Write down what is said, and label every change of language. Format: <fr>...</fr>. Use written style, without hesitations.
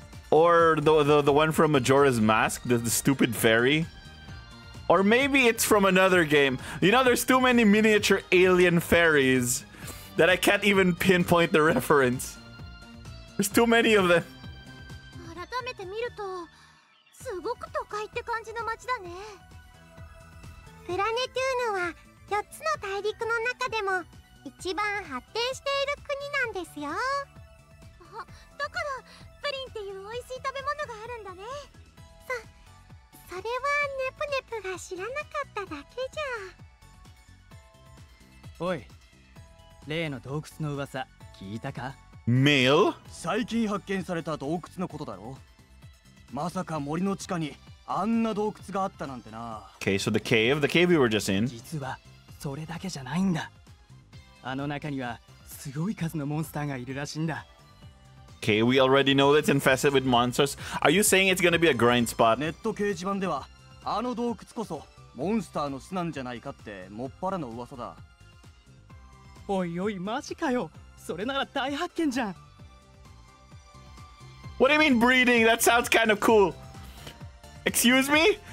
<en>Or the one from Majora's Mask, the stupid fairy. Or maybe it's from another game. You know, there's too many miniature alien fairies that I can't even pinpoint the reference. There's too many of them.</en> <ja>改めて見ると、すごく都会って感じの街だね。プラネトゥーヌは4つの大陸の中でも一番発展している国なんですよ。だから、プリンっていう美味しい食べ物があるんだね。それはネプネプが知らなかっただけじゃ。おい、例の洞窟の噂聞いたか？メイル？最近発見された洞窟のことだろ。まさか森の地下にあんな洞窟があったなんてな。</ja> <en>Okay, so the cave we were just in.</en> <ja>実はそれだけじゃないんだ。あの中にはすごい数のモンスターがいるらしいんだ。</ja> <en>Okay, we already know it's infested with monsters. Are you saying it's going to be a grind spot?</en> <ja>ネット掲示板では、あの洞窟こそモンスターの巣なんじゃないかってもっぱらの噂だ。おいおい、マジかよ。それなら大発見じゃん。</ja> <en>What do you mean breeding? That sounds kind of cool. Excuse me?</en>